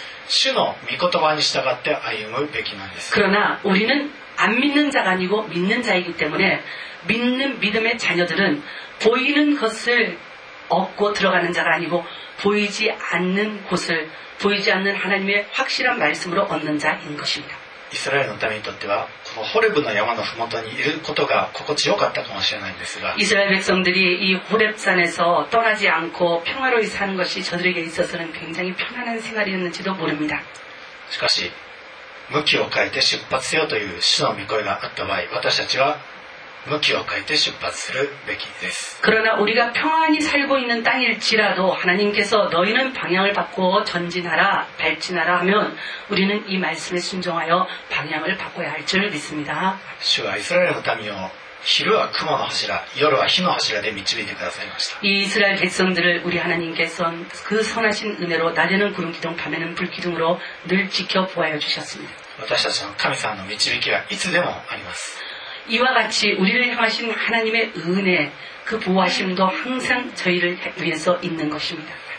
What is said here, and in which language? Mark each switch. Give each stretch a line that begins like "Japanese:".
Japanese: しかし私たち信仰生活者というのは目に見えるところによらず主の御言葉に従って歩むべきなんです
Korean: 그러나 우리는 안 믿는 자가 아니고 믿는 자이기 때문에 믿는 믿음의 자녀들은 보이는 것을 얻고 들어가는 자가 아니고 보이지 않는 곳을 보이지 않는 하나님의 확실한 말씀으로 얻는 자인 것입니다. 이스라엘 백성들이 이 호렙산에서 떠나지 않고 평화로이 사는 것이 저들에게 있어서는 굉장히 편안한 생활이었는지도 모릅니다. 하지만
Japanese: 向きを変えて出発せよという主の御声があった場合、私たちは向きを変えて出発するべきです。
Korean: 그러나 우리가 평안히 살고 있는 땅일지라도 하나님께서 너희는 방향을 바꾸어 전진하라 발진하라 하면 우리는 이 말씀에 순종하여 방향을 바꿔야 할 줄 믿습니다. 주가 이스라엘의 땅이요
Japanese: 昼は雲の柱、夜は火の柱で導いてくださいました。
Korean: 이스라엘 백성들을 우리 하나님께서는 그 선하신 은혜로 낮에는 구름 기둥, 밤에는 불 기둥으로 늘 지켜 보아여 주셨습니다.
Japanese: 私たちの神様の導きはいつでもあります。
Korean: 이와 같이 우리를 향하신 하나님의 은혜, 그 보호하심도 항상 저희를 위해서 있는 것입니다.